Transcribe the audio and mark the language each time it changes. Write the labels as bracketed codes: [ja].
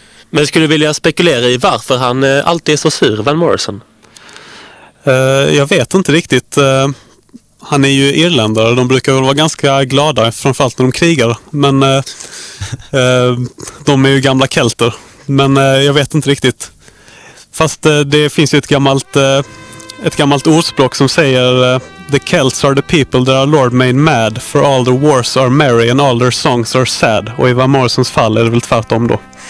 [sv] Men skulle du vilja spekulera i varför han alltid är så sur, Van Morrison? Jag vet inte riktigt. Han är ju irländare. De brukar väl vara ganska glada, framförallt när de krigar. Men de är ju gamla kelter. Men jag vet inte riktigt. Fast det finns ju ett gammalt ordspråk som säger [en] "The Celts are the people that our Lord made mad, for all the wars are merry and all their songs are sad." [sv] Och i Van Morrisons fall är det väl tvärtom då.